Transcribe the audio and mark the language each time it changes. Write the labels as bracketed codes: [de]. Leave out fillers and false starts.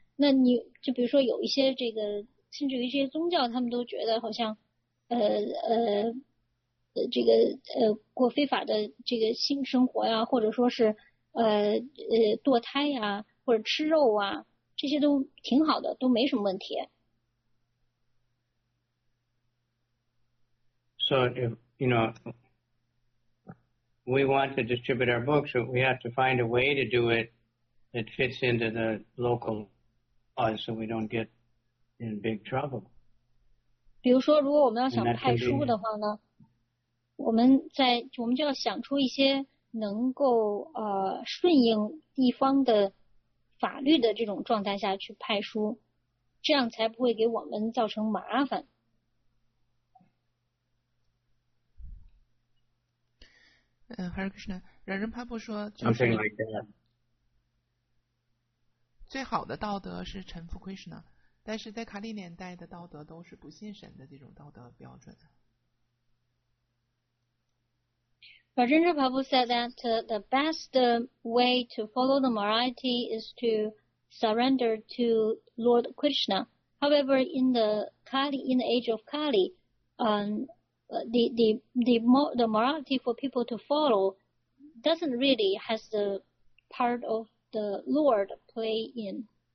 [zh] 那你就比如说有一些这个，甚至于一些宗教，他们都觉得好像，这个过非法的这个性生活呀，或者说是堕胎呀，或者吃肉啊，这些都挺好的，都没什么问题。 [en] You know, we want to distribute our books, but we have to find a way to do it that fits into the local laws so we don't get in big trouble. [zh] 比如说，如果我们要想派书的话呢，我们就要想出一些能够顺应地方的法律的这种状态下去派书，这样才不会给我们造成麻烦。 Hare Krishna, Rajan Prabhu 说，就是 like、最好的道德是臣服 Krishna， 但是在卡利年代的道德都是不信神的这种道德标准。 [en] Rajan Prabhu said that the best way to follow the morality is to surrender to Lord Krishna. However, in the age of Kali, the morality for people to follow doesn't really has the part of the Lord play in.